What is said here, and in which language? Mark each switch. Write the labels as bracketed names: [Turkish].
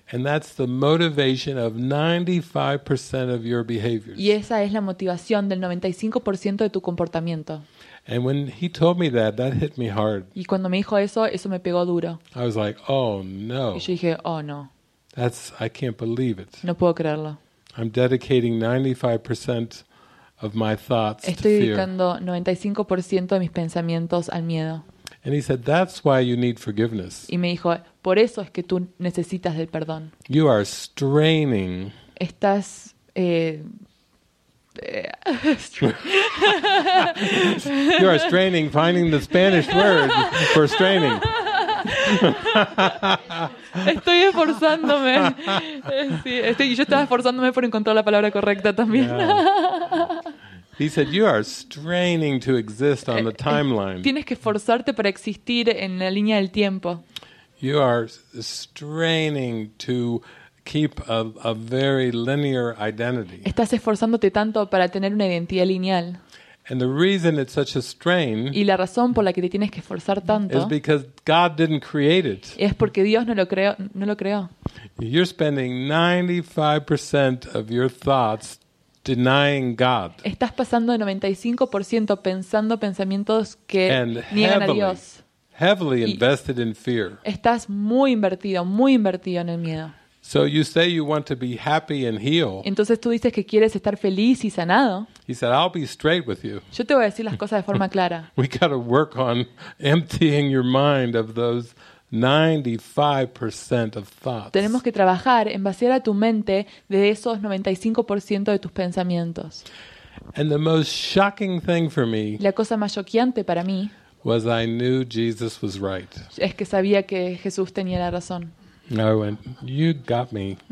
[English] And that's the motivation of 95% of your behaviors. [Spanish] Y esa es la motivación del 95% de tu comportamiento. [English] And when he told me that, that hit me hard. [Spanish] Y cuando me dijo eso, eso me pegó duro. [English] I was like, oh no. [Spanish] Y yo dije, oh no. [English] That's, I can't believe it. [Spanish] No puedo creerlo. [English] I'm dedicating 95% of my thoughts to fear. [Spanish] Estoy dedicando 95% de mis pensamientos al miedo. [English] And he said, that's why you need forgiveness. [Spanish] Y me dijo, por eso es que tú necesitas del perdón. [English] You are straining. [Spanish] Estás [English] You are straining finding the Spanish word for straining. [Spanish] Estoy esforzándome. Sí, yo estaba esforzándome por encontrar la palabra correcta también. [English] He said, "You are straining to exist on the timeline." [Spanish] Tienes que esforzarte para existir en la línea del tiempo. [English] You are straining to keep a very linear identity. [Spanish] Estás esforzándote tanto para tener una identidad lineal. [English] And the reason it's such a strain. [Spanish] Y la razón por la que te tienes que esforzar tanto. [English] Is because God didn't create it. [Spanish] Es porque Dios no lo creó. No lo creó. [English] You're spending 95% of your thoughts. Denying God. [Spanish] Estás pasando el 95% pensando pensamientos que niegan a Dios. [English] Heavily invested in fear. [Spanish] Estás muy invertido en el miedo. [English] So you say you want to be happy and healed. [Spanish] Entonces tú dices que quieres estar feliz y sanado. [English] He said, "I'll be straight with you." [Spanish] Yo te voy a decir las cosas de forma clara. [English] We got to work on emptying your mind of those 95% of thoughts. [Spanish] Tenemos que trabajar en vaciar a tu mente de esos 95% de tus pensamientos. [English] And the most shocking thing for me. [Spanish] La cosa más choqueante para mí. [English] Was I knew Jesus was right. [Spanish] Es que sabía que Jesús tenía la razón. [English] I went, you got me.